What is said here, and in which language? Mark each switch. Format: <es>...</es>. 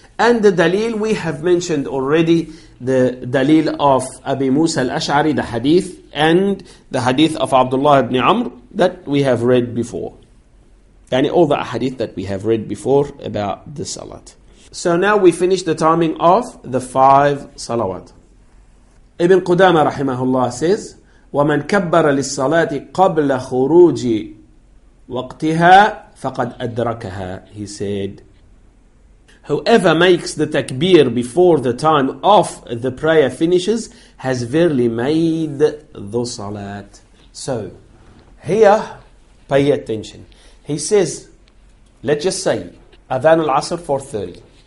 <en>And the dalil, we have mentioned already the dalil of Abi Musa al-Ash'ari, the hadith, and the hadith of Abdullah ibn Amr that we have read before. And all the hadith that we have read before about the salat. So now we finish the timing of the five salawat. Ibn Qudama rahimahullah says,</en> <ar>وَمَنْ كَبَّرَ لِلصَّلَاةِ قَبْلَ خُرُوجِ وَقْتِهَا فَقَدْ أَدْرَكَهَا.</ar> <en>He said, whoever makes the takbir before the time of the prayer finishes has verily made the salat. So, here, pay attention. He says, let's just say, Adhan al-Asr 4:30.</en>